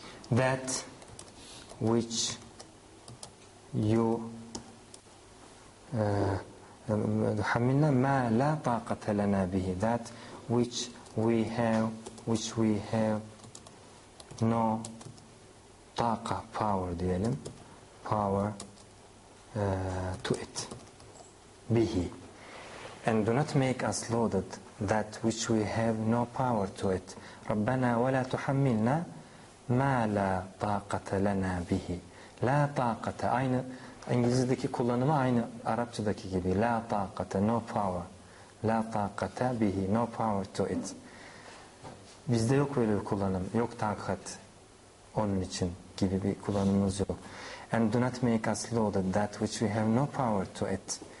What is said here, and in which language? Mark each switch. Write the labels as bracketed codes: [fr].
[en] that which you [ar] hamina ma la taqata lana bihi, [en] that which we have, which we have no taqa, power [tr] diyelim, [en] power to it, bihi, and do not make us loaded that which we have no power to it. [ar] Rabbana wa la tuhammilna ma la taqata lana bihi. [tr] La taqata, aynı İngilizce'deki kullanımı aynı Arapçadaki gibi. [en] La taqata, no power. [ar] La taqata bihi, [en] no power to it. [tr] Bizde yok böyle bir kullanım. Yok takat onun için gibi bir kullanımımız yok. [en] And do not make us loaded that which we have no power to it.